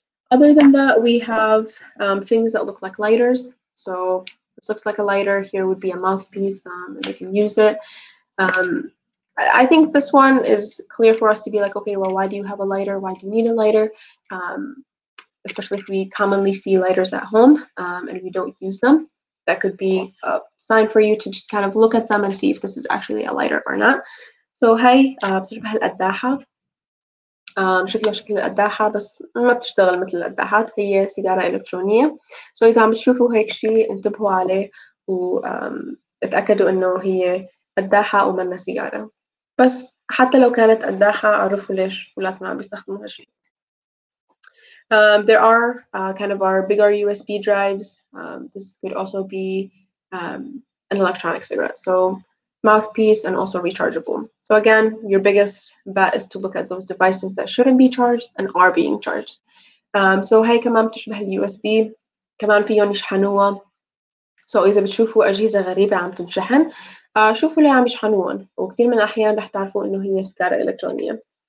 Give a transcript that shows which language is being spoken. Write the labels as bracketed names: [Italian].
[English] Other than that, we have things that look like lighters. So this looks like a lighter. Here would be a mouthpiece, and you can use it. I think this one is clear for us to be like, okay, well, why do you have a lighter? Why do you need a lighter? Especially if we commonly see lighters at home and we don't use them. That could be a sign for you to just kind of look at them and see if this is actually a lighter or not. [Arabic] So هاي بتشبه الأداحة، شكلها شكل الأداحة بس ما بتشتغل مثل الأداحات، هي سيجارة إلكترونية. So إذا عم تشوفوا هيك شيء انتبهوا عليه واتأكدوا إنه هي أداحة ومنها سيجارة. بس حتى لو كانت أداحة عرفوا ليش ولادنا عم بيستخدموا هالشيء. [English] There are kind of our bigger USB drives. This could also be an electronic cigarette. So mouthpiece and also rechargeable. So again, your biggest bet is to look at those devices that shouldn't be charged and are being charged. [Arabic] So هاي كمان بتشبه USB. كمان فيهم يشحنوها. So إذا بتشوفوا أجهزة غريبة عم تنشحن، شوفوا ليه عم يشحنوهم. وكثير من الأحيان رح تعرفوا إنه هي سيجارة إلكترونية.